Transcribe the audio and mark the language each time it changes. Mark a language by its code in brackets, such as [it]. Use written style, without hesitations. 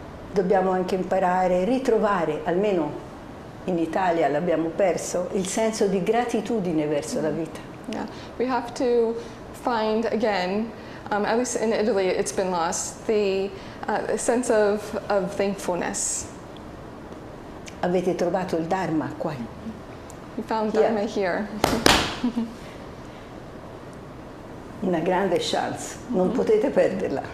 [it] Dobbiamo anche imparare, ritrovare, almeno in Italia l'abbiamo perso, il senso di gratitudine verso la vita. [en] Yeah, we have to find again, at least in Italy it's been lost, the sense of thankfulness. [it] Avete trovato il Dharma qua? [en] We found Dharma here. [it] Una grande chance, non potete perderla.